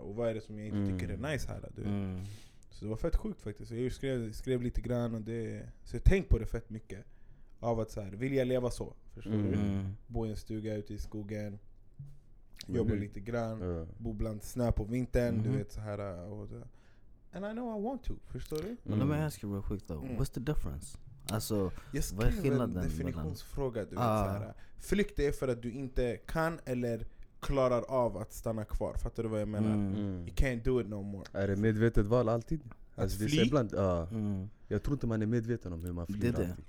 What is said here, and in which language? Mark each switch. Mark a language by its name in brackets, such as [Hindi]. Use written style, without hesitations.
[Swedish] Och vad är det som jag inte tycker är nice här? Du? Så det var fett sjukt faktiskt. Så jag skrev lite grann och det... Så jag tänkte på det fett mycket. Av att så här, vill jag leva så? Förstår du? Bo i en stuga ute i skogen. Jobba lite grann, bo bland snö på vintern, du vet så här. [English] And I know I want to, [Swedish] förstår du? [English] Men let me ask you real quick though, what's the difference? [Swedish] Alltså, vad är skillnaden? Jag skrev en definitionsfråga, du vet så här. Flykt är för att du inte kan eller klarar av att stanna kvar. Fattar du vad jag menar? Mm. [English] You can't do it no more. [Swedish] Är det medvetet val alltid? Att alltså, fly? Ibland, jag tror inte man är medveten om hur man flyr.